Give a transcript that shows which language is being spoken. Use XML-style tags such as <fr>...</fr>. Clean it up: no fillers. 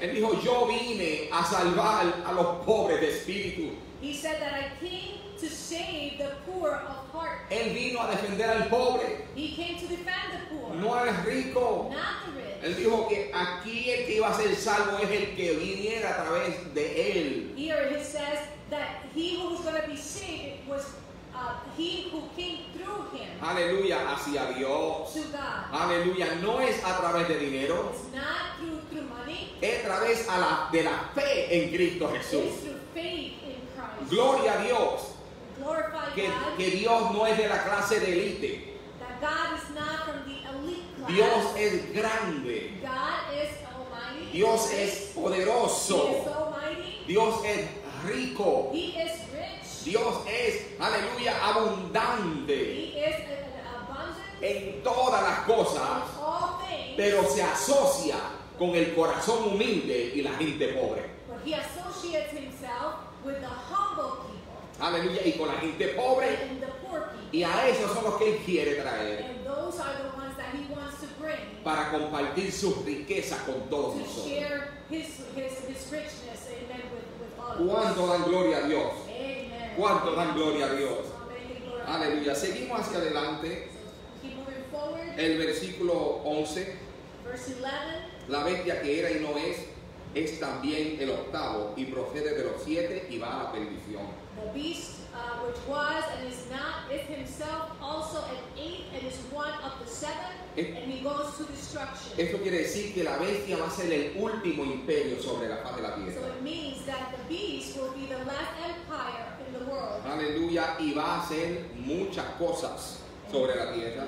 <es>Él dijo, yo vine a salvar a los pobres de espíritu.</es> <en>He said that I came to save the poor of heart.</en> <es>Él vino a defender al pobre.</es> <en>He came to defend the poor.</en> <es>No al rico.</es> <en>Not the rich.</en> <es>Él dijo que aquí el que iba a ser salvo es el que viniera a través de él.</es> <en>Here he says that he who was going to be saved was he who came through him.</en> <es>Aleluya, hacia Dios.</es> <en>To God.</en> <es>Aleluya, no es a través de dinero.</es> <en>It's not</en> <es>es a través de la fe en Cristo Jesús.</es> <en>Faith in Christ.</en> <es>Gloria a Dios.</es> <en>Glory to glorify</en> <es>que,</es> <en>God.</en> <es>Que Dios no es de la clase de élite.</es> <en>That God is not from the elite class.</en> <es>Dios es grande.</es> <en>God is almighty.</en> <es>Dios es poderoso.</es> <en>He is almighty.</en> <es>Dios es rico.</es> <en>He is rich.</en> <es>Dios es, aleluya, abundante.</es> <en>He is abundant.</en> <es>En todas las cosas.</es> <en>In all things.</en> <es>Pero se asocia con el corazón humilde y la gente pobre.</es> <en>But he associates himself with the humble people.</en> <es>Aleluya, y con la gente pobre.</es> <en>And the poor people.</en> <es>Y a esos son los que él quiere traer.</es> <en>And those are the ones that he wants to bring.</en> <es>Para compartir sus riquezas con todos</es> <en>to</en> <es>nosotros.</es> <en>Share his richness, amen, with all of us.</en> <es>¿Cuánto dan gloria a Dios?</es> <en>Amen.</en> <es>¿Cuánto dan gloria a Dios?</es> <en>Amen.</en> <es>Aleluya, seguimos hacia adelante.</es> <en>Keep moving forward.</en> <es>El versículo 11.</es> <en>Verse 11.</en> <es>La bestia que era y no es, es también el octavo y procede de los siete y va a la perdición.</es> <en>The beast which was and is not is himself also an eighth and is one of the seven and he goes to destruction.</en> <es>Esto quiere decir que la bestia va a ser el último imperio sobre la faz de la tierra.</es> <en>So it means that the beast will be the last empire in the world.</en> <es>Aleluya, y va a hacer muchas cosas sobre la tierra.</es>